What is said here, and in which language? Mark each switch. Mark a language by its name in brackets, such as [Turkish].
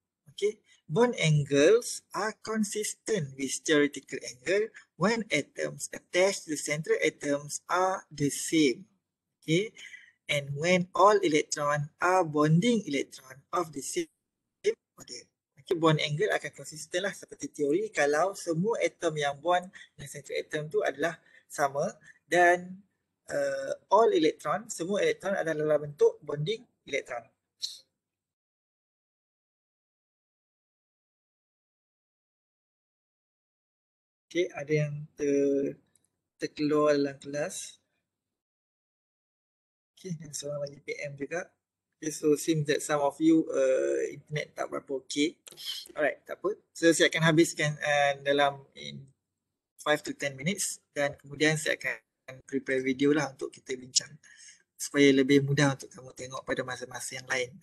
[English] Okay, bond angles are consistent with theoretical angle when atoms attached to the central atoms are the same. Okay, and when all electrons are bonding electrons of the same order. [Malay] Okay, bond angle akan konsisten lah seperti teori kalau semua atom yang bond dengan central atom tu adalah sama dan all electron, semua electron adalah dalam bentuk bonding electron. Okay, ada yang terkeluar dalam kelas. Okay, yang seorang lagi PM juga. [English] So seems that some of you internet [Malay] tak berapa okay. Alright, tak apa. So saya akan habiskan dalam [English] in 5 to 10 minutes [Malay] dan kemudian saya akan prepare video lah untuk kita bincang supaya lebih mudah untuk kamu tengok pada masa-masa yang lain.